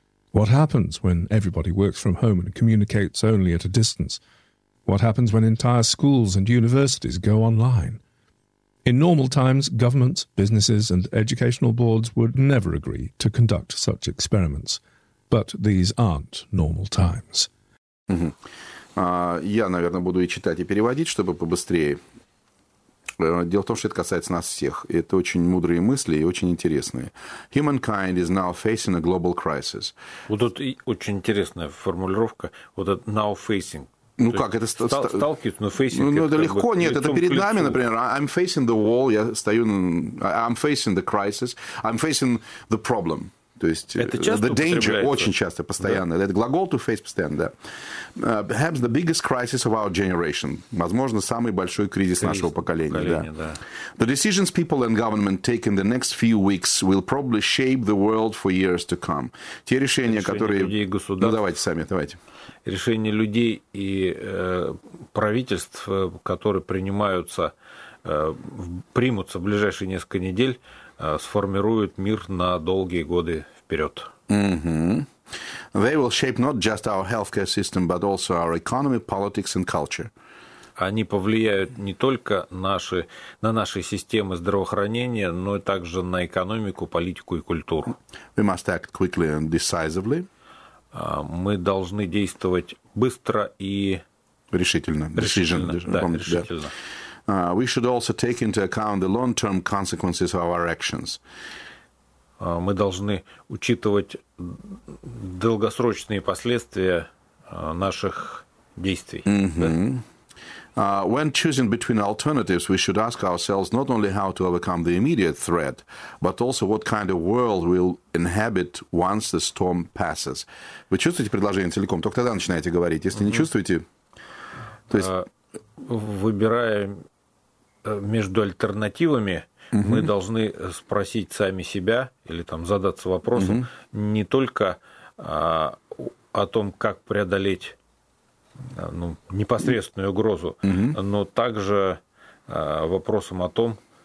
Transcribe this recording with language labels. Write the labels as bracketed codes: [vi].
[en] What happens when everybody works from home and communicates only at a distance? What happens when entire schools and universities go online? In normal times, governments, businesses, and educational boards would never agree to conduct such experiments. But these aren't normal times. Mm-hmm. [ru] Я, наверное, буду и читать, и переводить, чтобы побыстрее. Дело в том, что это касается нас всех. Это очень мудрые мысли и очень интересные. [en] Humankind is now facing a global crisis. [ru] Вот тут очень интересная формулировка. Вот это [en] now facing. [ru] Ну то как, это... Сталкивается, но facing... Ну, это легко, бы, нет, это перед нами, например, [en] I'm facing the wall, [ru] я стою... [en] I'm facing the crisis, I'm facing the problem. [ru] То есть... Это часто [en] the danger, [ru] очень часто, постоянно. Да. Это глагол to face постоянно, да. [en] Perhaps the biggest crisis of our generation. [ru] Возможно, самый большой кризис нашего поколения, да. [en] The decisions people and government take in the next few weeks will probably shape the world for years to come. [ru] Те решения, которые... Людей и государств. Ну, давайте сами, давайте. Решения людей и правительств, которые принимаются, примутся в ближайшие несколько недель, сформируют мир на долгие годы вперед. Mm-hmm. [en] They will shape not just our healthcare system, but also our economy, politics and culture. [ru] Они повлияют не только на наши системы здравоохранения, но и также на экономику, политику и культуру. [en] We must act quickly and decisively. [ru] Мы должны действовать быстро и... Решительно. Решительно, решительно. [en] We should also take into account the long-term consequences of our actions. [ru] Мы должны учитывать долгосрочные последствия наших действий. Mm-hmm. Да? [en] When choosing between alternatives, we should ask ourselves not only how to overcome the immediate threat, but also what kind of world we'll inhabit once the storm passes. [ru] Вы чувствуете предложение целиком? Только тогда начинаете говорить. Если не чувствуете... То есть... Выбирая между альтернативами, мы должны спросить сами себя или там задаться вопросом не только о том, как преодолеть непосредственную угрозу, но также вопросом о том,